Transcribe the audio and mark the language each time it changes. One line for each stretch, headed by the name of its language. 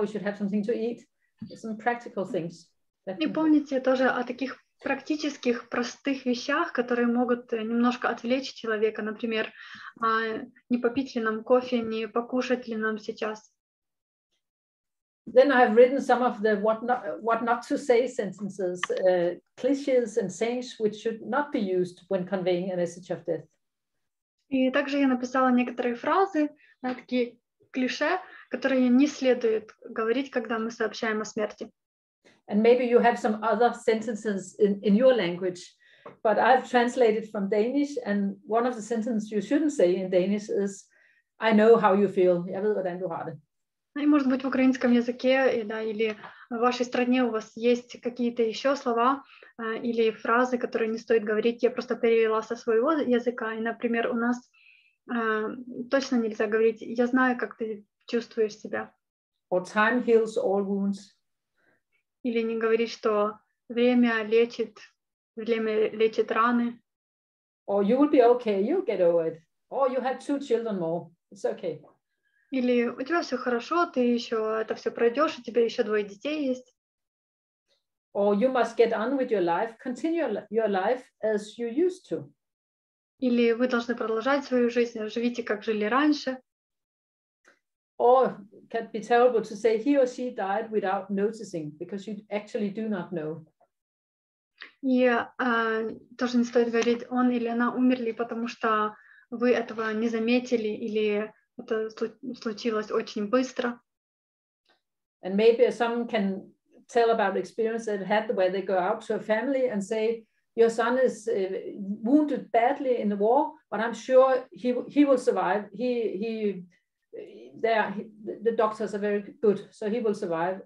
English: We should have something to eat. Some practical things.
Russian: И помните тоже о таких практических, простых вещах, которые могут немножко отвлечь человека, например, не попить ли нам кофе, не покушать ли нам сейчас.
English: Then I have written some of the what not to say sentences, clichés and sayings which should not be used when conveying a message of death.
Russian: И также я написала некоторые фразы, такие клише, которые не следует говорить, когда мы сообщаем о смерти.
English: And maybe you have some other sentences in your language, but I've translated from Danish, and one of the sentences you shouldn't say in Danish is, I know how you feel.
Danish: Я ved, hvordan du har det.
Russian: И может быть в украинском языке, да, или в вашей стране у вас есть какие-то еще слова или фразы, которые не стоит говорить. Я просто перевела со своего языка, и, например, у нас точно нельзя говорить, я знаю, как ты чувствуешь себя.
English: Or time heals all wounds.
Russian: Или не говорить, что время лечит раны.
English: Or you will be okay, you'll get over it. Or you have 2 children more, it's okay.
Russian: Или у тебя все хорошо, ты еще это все пройдешь, у тебя еще 2 детей есть.
English: Or you must get on with your life, continue your life as you used to.
Russian: Или вы должны продолжать свою жизнь, живите, как жили раньше.
English: Or it can be terrible to say he or she died without noticing, because you actually do not know.
Russian: И тоже не стоит говорить, он или она умерли, потому что вы этого не заметили, или это случилось очень быстро.
English: And maybe some can tell about experience they've had where they go out to a family and say, your son is wounded badly in the war, but I'm sure he will survive. The doctors are very good, so he will survive.